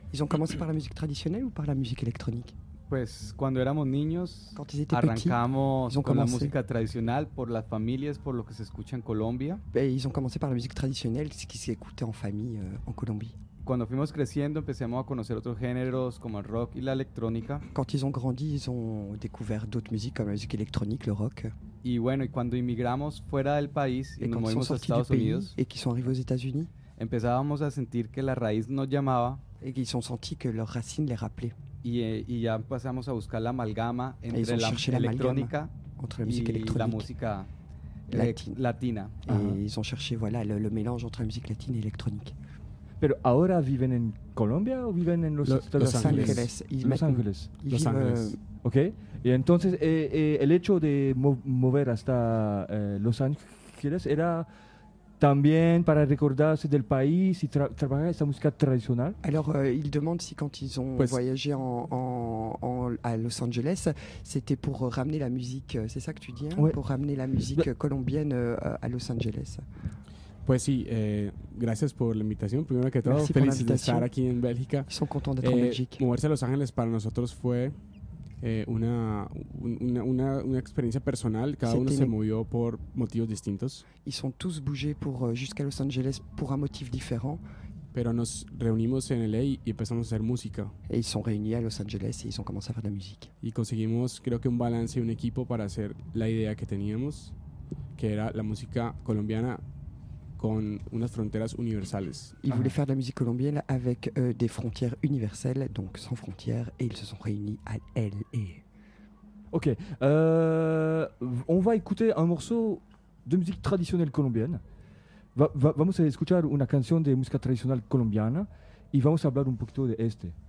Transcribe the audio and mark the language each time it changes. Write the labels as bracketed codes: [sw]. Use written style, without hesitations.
[fr] Ils ont commencé par la musique traditionnelle ou par la musique électronique? [es] Pues cuando éramos niños, [fr] quand ils étaient [es] arrancamos [fr] petits, [es] con la música tradicional por las familias, por lo que se escucha en Colombia. [fr] Et ils ont commencé par la musique traditionnelle, ce qui s'écoutait en famille en Colombie. [es] Cuando fuimos creciendo, empezamos a conocer otros géneros como el rock y la electrónica. [fr] Quand ils ont grandi, ils ont découvert d'autres musiques comme la musique électronique, le rock. [es] Y bueno, y cuando inmigramos fuera del país [fr] et [es] y nos movimos a Estados Unidos, [fr] et qu'ils sont arrivés aux États-Unis, [es] empezábamos a sentir que la raíz nos llamaba, [fr] et qu'ils ont senti que leurs racines les rappelaient. [es] Y ya empezamos a buscar la amalgama entre la electrónica entre la [fr] musique [es] y la música latina. Uh-huh. [fr] Ils ont cherché voilà le mélange entre la musique latine et électronique. [es] Pero ahora viven en Colombia o viven en Los Ángeles. Los Ángeles. Okay. Y entonces el hecho de mover hasta Los Ángeles era también para recordarse del país y trabajar esa música tradicional. [fr] Alors, il demande si quand ils ont voyagé à Los Angeles, c'était pour ramener la musique, c'est ça que tu dis, hein, ouais. Pour ramener la musique colombienne à Los Angeles. [es] Pues sí, gracias por la invitación. Primero que todo, feliz de estar aquí en Bélgica. [fr] Ils sont contents d'être en Belgique. [es] Moverse a Los Ángeles para nosotros fue una experiencia personal. Cada uno se movió por motivos distintos. [fr] Ils sont tous bougés pour jusqu'à Los Angeles pour un motif différent. [es] Pero nos reunimos en LA y empezamos a hacer música. [fr] Et ils sont réunis à Los Angeles et ils ont commencé à faire de la musique. [es] Y conseguimos creo que un balance y un equipo para hacer la idea que teníamos, que era la música colombiana con unas fronteras universales. [fr] Ils voulaient faire de la musique colombienne avec des frontières universelles, donc sans frontières, et ils se sont réunis à LA. Ok, on va écouter un morceau de musique traditionnelle colombienne. [es] Vamos a escuchar una canción de música tradicional colombiana y vamos a hablar un poquito de este.